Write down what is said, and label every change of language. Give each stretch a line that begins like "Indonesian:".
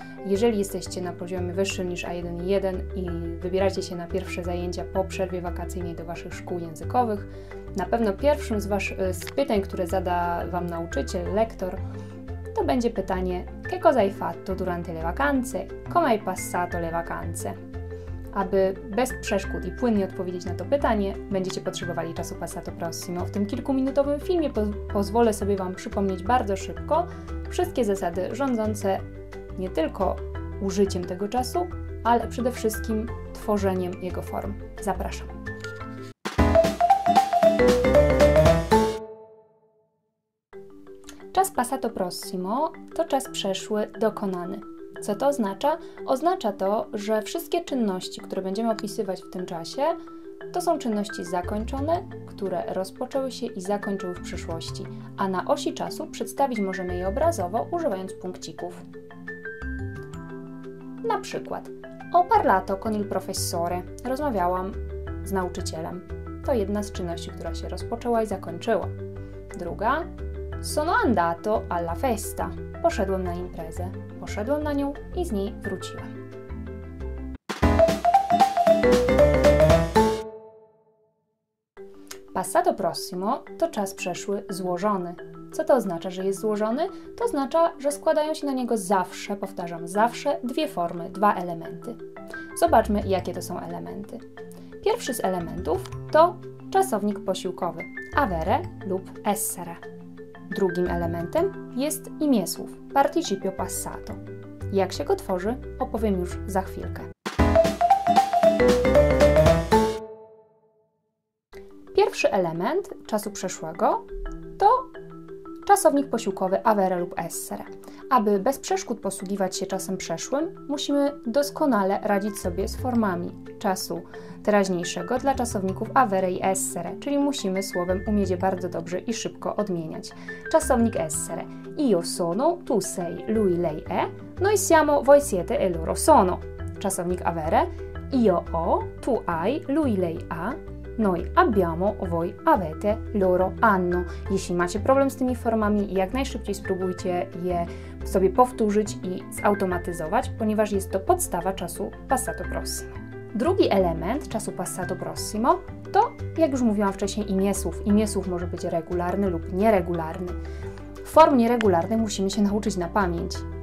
Polish: Jeżeli jesteście na poziomie wyższym niż A1-1 i wybieracie się na pierwsze zajęcia po przerwie wakacyjnej do Waszych szkół językowych, na pewno pierwszym z pytań, które zada Wam nauczyciel, lektor, to będzie pytanie:
Italian: Che cosa hai fatto durante le vacanze? Come hai passato le vacanze?
Polish: Aby bez przeszkód i płynnie odpowiedzieć na to pytanie, będziecie potrzebowali czasu Passato Prossimo. W tym kilkuminutowym filmie pozwolę sobie Wam przypomnieć bardzo szybko wszystkie zasady rządzące nie tylko użyciem tego czasu, ale przede wszystkim tworzeniem jego form. Zapraszam. Czas passato prossimo to czas przeszły dokonany. Co to oznacza? Oznacza to, że wszystkie czynności, które będziemy opisywać w tym czasie, to są czynności zakończone, które rozpoczęły się i zakończyły w przyszłości, a na osi czasu przedstawić możemy je obrazowo, używając punkcików. Na przykład,
Italian: ho parlato con il professore,
Polish: rozmawiałam z nauczycielem. To jedna z czynności, która się rozpoczęła i zakończyła. Druga,
Italian: sono andato alla festa.
Polish: Poszedłem na imprezę. Poszedłem na nią i z niej wróciłem. Passato prossimo to czas przeszły złożony. Co to oznacza, że jest złożony? To oznacza, że składają się na niego zawsze, powtarzam, zawsze dwie formy, dwa elementy. Zobaczmy, jakie to są elementy. Pierwszy z elementów to czasownik posiłkowy, avere lub essere. Drugim elementem jest imię słów, participio passato. Jak się go tworzy, opowiem już za chwilkę. Pierwszy element czasu przeszłego to czasownik posiłkowy avere lub essere. Aby bez przeszkód posługiwać się czasem przeszłym, musimy doskonale radzić sobie z formami czasu teraźniejszego dla czasowników avere i essere, czyli musimy słowem umieć je bardzo dobrze i szybko odmieniać. Czasownik essere.
Italian: Io sono, tu sei, lui, lei, e, noi siamo, voi siete e loro sono.
Polish: Czasownik avere.
Italian: Io ho, tu hai, lui, lei, ha. Noi abbiamo, voi avete, loro hanno.
Polish: Jeśli macie problem z tymi formami, jak najszybciej spróbujcie je sobie powtórzyć i zautomatyzować, ponieważ jest to podstawa czasu passato prossimo. Drugi element czasu passato prossimo to, jak już mówiłam wcześniej, imię słów. Imię słów może być regularny lub nieregularny. Form nieregularnych musimy się nauczyć na pamięć.